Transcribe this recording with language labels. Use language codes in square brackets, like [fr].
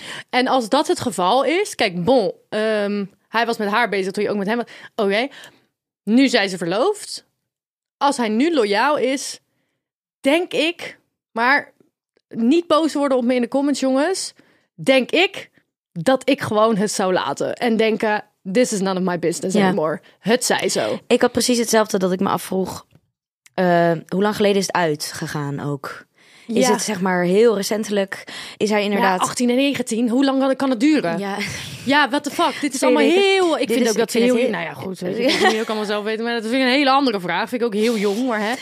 [nl] En als dat het geval is, kijk, bon, hij was met haar bezig toen je ook met hem was. Oké, nu zijn ze verloofd. Als hij nu loyaal is, denk ik, maar niet boos worden op me in de comments, jongens. Denk ik dat ik gewoon het zou laten. En denken, [en] this is none of my business anymore. [nl] Het zij zo. Ik had precies hetzelfde dat ik me afvroeg. Hoe lang geleden is het uitgegaan ook? Is het zeg maar heel recentelijk? Is hij inderdaad... Ja, 18 en 19. Hoe lang kan het duren? Ja, ja, [en] what the fuck? [nl] Dit is nee, allemaal heel... Ik vind ook dat ze heel... Nou ja, goed. Dat kan ik allemaal zelf weten. Maar dat vind ik een hele andere vraag. Vind ik ook heel jong, maar hè?